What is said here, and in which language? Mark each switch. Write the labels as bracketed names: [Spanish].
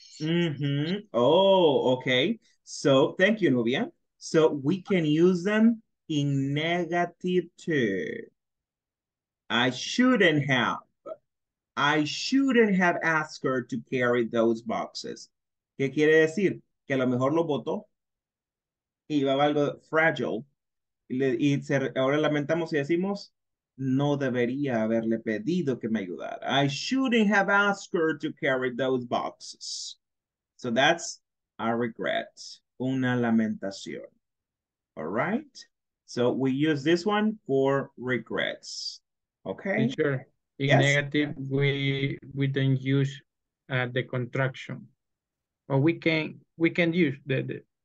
[English] Mm-hmm. Oh, okay. So thank you, Nubia. So we can use them in negative two. I shouldn't have asked her to carry those boxes. [Spanish] ¿Qué quiere decir? Que a lo mejor lo botó y iba algo frágil. Ahora lamentamos y decimos, no debería haberle pedido que me ayudara. [English] I shouldn't have asked her to carry those boxes. So that's a regret. [Spanish] Una lamentación. [English] All right? So we use this one for regrets. Okay? Sure. In yes. Negative, we don't use the contraction. But we can use the